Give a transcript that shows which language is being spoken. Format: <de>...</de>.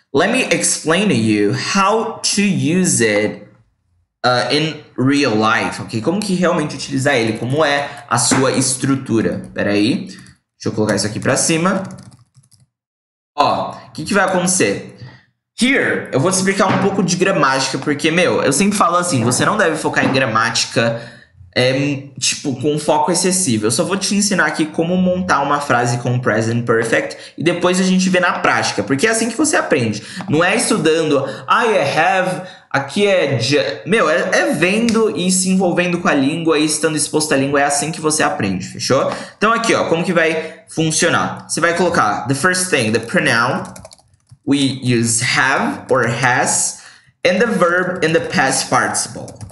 <en>Let me explain to you how to use it in real life, ok?</en> <pt>Como que realmente utilizar ele? Como é a sua estrutura? Pera aí, deixa eu colocar isso aqui para cima. Ó, que vai acontecer?</pt> <en>Here,</en> <pt>eu vou te explicar um pouco de gramática, porque, meu, eu sempre falo assim, você não deve focar em gramática, tipo, com foco excessivo. Eu só vou te ensinar aqui como montar uma frase com o present perfect e depois a gente vê na prática, porque é assim que você aprende. Não é estudando,</pt> <en>I have,</en> <pt>aqui é just. Meu, é vendo e se envolvendo com a língua e estando exposto à língua, é assim que você aprende, fechou? Então aqui, ó, como que vai funcionar? Você vai colocar</pt> <en>the first thing, the pronoun we use have or has and the verb in the past participle.</en>